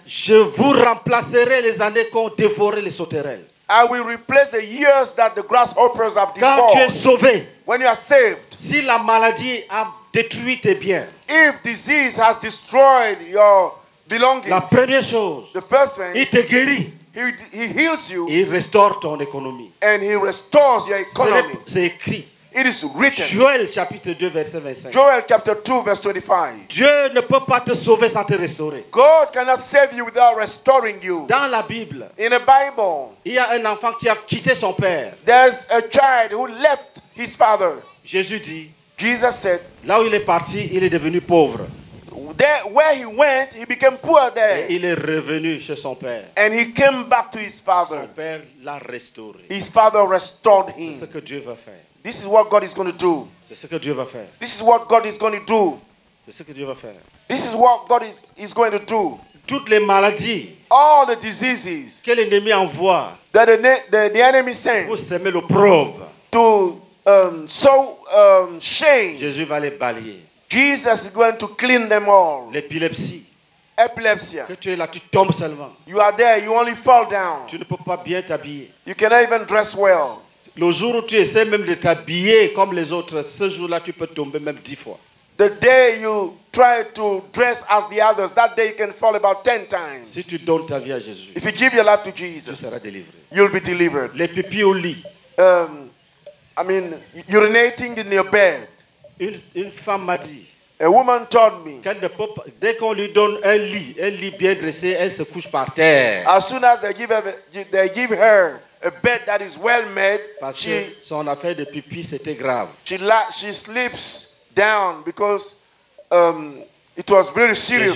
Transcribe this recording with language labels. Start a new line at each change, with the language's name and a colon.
French: je vous remplacerai les années qu'ont dévoré les sauterelles.
English: I will replace the years that the grasshoppers have devoured.
French: Quand tu es sauvé,
English: when you are saved,
French: si la maladie a détruit tes biens,
English: if disease has destroyed your belongings,
French: la première chose,
English: the first thing,
French: il te guérit.
English: He heals you.
French: Il restaure ton économie.
English: And he restores your economy.
French: C'est écrit.
English: It is written.
French: Joël chapitre 2 verset 25.
English: Joel chapter 2 verse 25.
French: Dieu ne peut pas te sauver sans te restaurer.
English: God cannot save you without restoring you.
French: Dans la Bible.
English: In the Bible.
French: Il y a un enfant qui a quitté son père.
English: There's a child who left his father.
French: Jésus dit.
English: Jesus said.
French: Là où il est parti, il est devenu pauvre.
English: There, where he went, he became poor there.
French: Et il est revenu chez son père.
English: And he came back to his father.
French: Son père l'a restauré.
English: His father restored him.
French: C'est ce que Dieu va faire.
English: This is what God is going to do.
French: C'est ce que Dieu va faire.
English: This is what God is going to do.
French: C'est ce que Dieu va faire.
English: This is what God is going to do.
French: Toutes les maladies.
English: All the diseases.
French: Que l'ennemi envoie.
English: That the enemy sends.
French: Pour semer le probe.
English: To sow shame.
French: Jésus va les balayer.
English: Jesus is going to clean them all.
French: L'épilepsie.
English: Epilepsy.
French: Que tu es là, tu tombes seulement.
English: You are there, you only fall down.
French: Tu ne peux pas bien t'habiller.
English: You cannot even dress well.
French: Le jour où tu essaies même de t'habiller comme les autres, ce jour-là tu peux tomber même 10 fois.
English: The day you try to dress as the others, that day you can fall about 10 times.
French: Si tu donnes ta vie à Jésus.
English: If you give your life to Jesus.
French: Tu seras délivré.
English: You'll be delivered.
French: Les pipis au lit.
English: Urinating in your bed.
French: Une femme m'a dit.
English: A woman told me.
French: Qu'elle ne peut pas, dès qu'on lui donne un lit bien dressé, elle se couche par terre.
English: As soon as they give her a bed that is well made.
French: Parce
English: she,
French: que son affaire de pipi c'était grave.
English: She sleeps down because it was very serious